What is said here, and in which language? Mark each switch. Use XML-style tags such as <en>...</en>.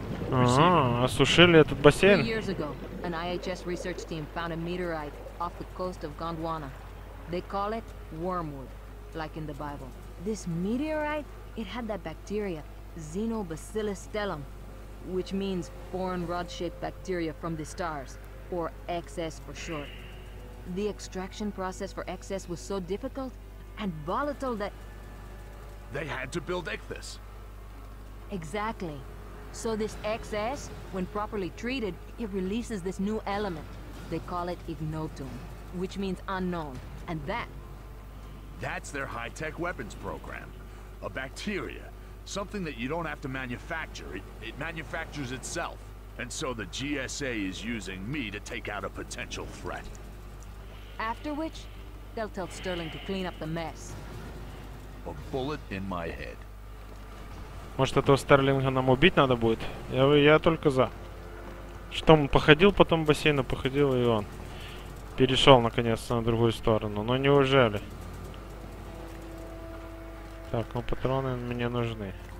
<ru>Ага, осушили этот бассейн.</ru> <en>An IHS research team found a meteorite off the coast of Gondwana. They call it wormwood, like in the Bible. This meteorite, it had that bacteria, Xenobacillus stellum. Which means foreign rod-shaped bacteria from the stars, or XS for short. The extraction process for XS was so difficult and volatile that... They had to build XS. Exactly. So this XS, when properly treated, it releases this new element. They call it ignotum, which means unknown. And that... That's their high-tech weapons program. A bacteria. Something that you don't have to manufacture. It manufactures itself. And so the GSA is using me to take out a potential threat. After which, they'll tell Sterling to clean up the mess. A bullet in my head.</en> <ru>Может, этого Стерлинга нам убить надо будет? Я только за. Что, он походил потом в бассейн, походил и он. Перешел, наконец-то, на другую сторону. Но неужели? Так, ну патроны мне нужны.</ru>